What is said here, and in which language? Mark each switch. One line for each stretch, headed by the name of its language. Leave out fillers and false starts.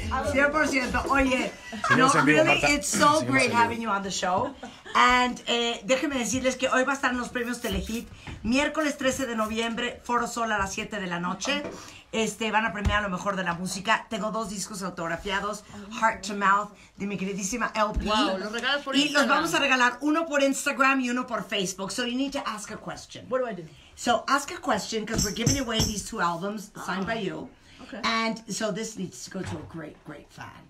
English: 100%.
Spanish: Oye,
English: no, really, it's so great having you on the show.
Spanish: And déjenme decirles que hoy va a estar en los premios Telehit. Miércoles 13 de noviembre, Foro Sol a las 7 de la noche. Van a premiar lo mejor de la música. Tengo dos discos autografiados, Heart to Mouth, de mi queridísima LP. Wow, los regalas por Instagram. Y los vamos a regalar uno por Instagram y uno por Facebook.
English: So you need to ask a question. What do I do? So ask a question, because we're giving away these two albums signed by you. Okay. And so this needs to go to a great, great fan.